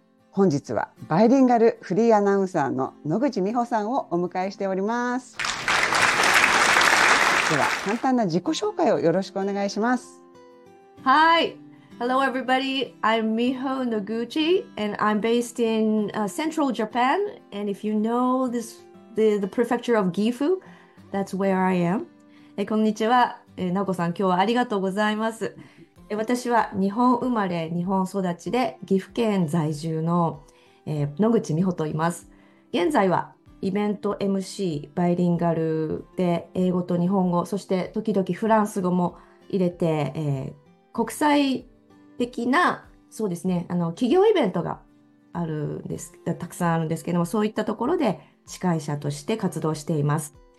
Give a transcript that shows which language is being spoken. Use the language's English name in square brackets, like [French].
[Japanese] 本日はバイリンガルフリーアナウンサーの野口美穂さんをお迎えしております。では簡単な自己紹介をよろしくお願いします。 [English] Hi, hello everybody, I'm Miho Noguchi and I'm based in、central Japan. And if you know this, the prefecture of Gifu, that's where I am. [Japanese] こんにちは、なおこさん、今日はありがとうございます。私は日本生まれ日本育ちで岐阜県在住の、野口美穂と言います。現在はイベント MC バイリンガルで英語と日本語、そして時々フランス語も入れて、国際的な、そうですね、企業イベントがあるんです、たくさんあるんですけども、そういったところで司会者として活動しています。